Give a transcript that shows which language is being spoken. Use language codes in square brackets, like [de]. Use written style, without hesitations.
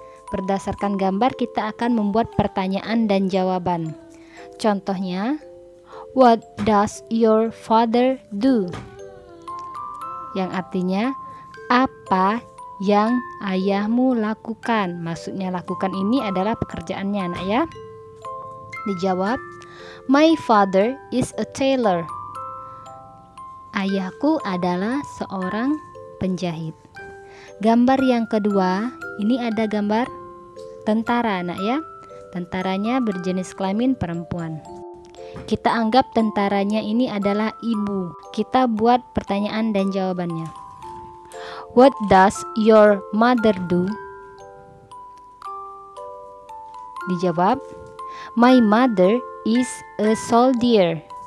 [id] Berdasarkan gambar, kita akan membuat pertanyaan dan jawaban. Contohnya, [en] "What does your father do?" [id] Yang artinya, apa yang ayahmu lakukan? Maksudnya lakukan ini adalah pekerjaannya anak ya. Dijawab, [en] my father is a tailor. [id] Ayahku adalah seorang penjahit. Gambar yang kedua, ini ada gambar tentara anak ya. Tentaranya berjenis kelamin perempuan. Kita anggap tentaranya ini adalah ibu. Kita buat pertanyaan dan jawabannya. [en] What does your mother do? [id] Dijawab, [en] my mother is a soldier.